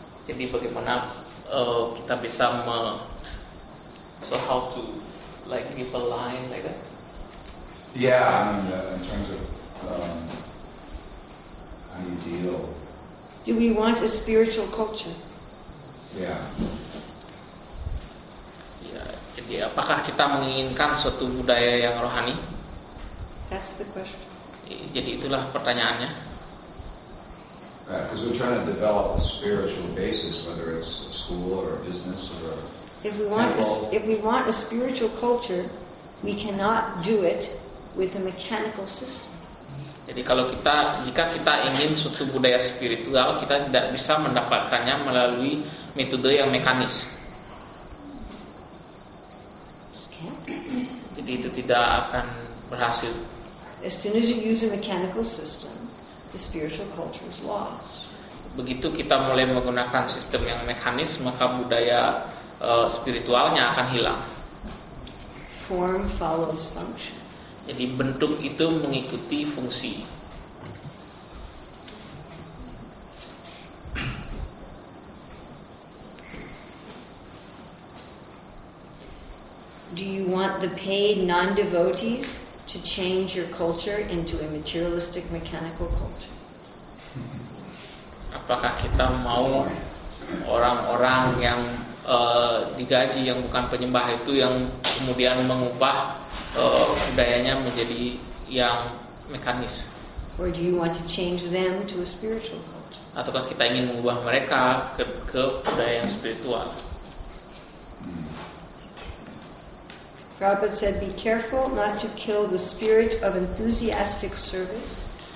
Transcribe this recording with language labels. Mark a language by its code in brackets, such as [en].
[id] Jadi bagaimana kita bisa [en] so how to like give a line like that? Yeah, I mean in terms of how you deal. Do we want a spiritual culture? Yeah. Yeah. [id] Jadi apakah kita menginginkan suatu budaya yang rohani? [en] That's the question. [id] Jadi itulah pertanyaannya. [en] Because we're trying to develop a spiritual basis, whether it's a school or a business or a temple. If we want a spiritual culture, we cannot do it with a mechanical system. [id] Jadi kalau jika kita ingin suatu budaya spiritual, kita tidak bisa mendapatkannya melalui metode yang mekanis. Jadi itu tidak akan berhasil. [en] As soon as you use a mechanical system, the spiritual culture is lost. [id] Begitu kita mulai menggunakan sistem yang mekanis, maka budaya spiritualnya akan hilang. [en] Form follows function. [id] Jadi bentuk itu mengikuti fungsi. [en] Do you want the paid non-devotees to change your culture into a materialistic mechanical culture? [id] Apakah kita mau orang-orang yang digaji yang bukan penyembah itu yang kemudian mengubah budayanya menjadi yang mekanis. [en] Or do you want to change them to a spiritual culture? [id] Ataukah kita ingin mengubah mereka ke budaya yang spiritual? [en] Prabhupada said, "Be careful not to kill the spirit of enthusiastic service."